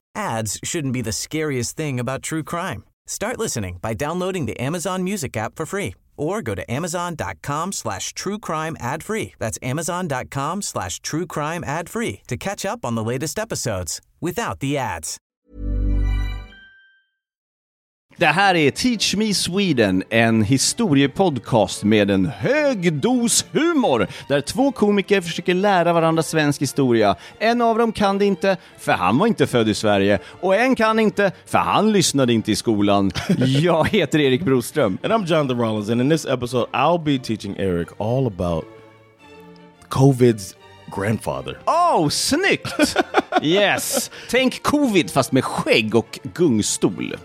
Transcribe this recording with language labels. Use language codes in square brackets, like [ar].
[en] Ads shouldn't be the scariest thing about true crime. Start listening by downloading the Amazon Music app for free or go to amazon.com/truecrimeadfree. That's amazon.com/truecrimeadfree to catch up on the latest episodes without the ads. [sv] Det här är Teach Me Sweden, en historiepodcast med en hög dos humor där två komiker försöker lära varandra svensk historia. En av dem kan det inte, för han var inte född i Sverige. Och en kan inte, för han lyssnade inte i skolan. Jag heter Erik Broström. [en] And I'm John the Rollins, and in this episode I'll be teaching Eric all about COVID's grandfather. Oh, snyggt! Yes! [sv] Tänk COVID fast med skägg och gungstol.